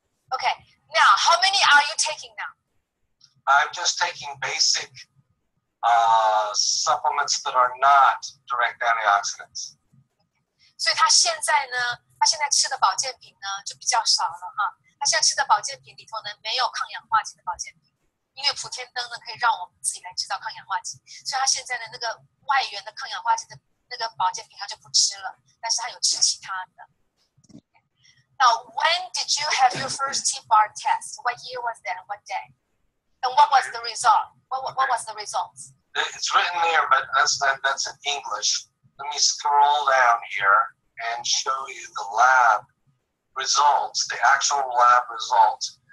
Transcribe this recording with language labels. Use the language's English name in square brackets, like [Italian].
[English] Okay, now how many are you taking now? I'm just taking basic supplements that are not direct antioxidants. [Chinese] 所以他现在吃的保健品呢就比较少了哈。他现在吃的保健品里头呢没有抗氧化剂的保健品，因为普天灯呢可以让我们自己来制造抗氧化剂，所以他现在的那个外源的抗氧化剂的那个保健品他就不吃了，但是他有吃其他的。 [English] Now, when did you have your first T-bar test? What year was that? What day? And what was the result? What was the result? It's written there, but that's in English. Let me scroll down here and show you the lab results, the actual lab results.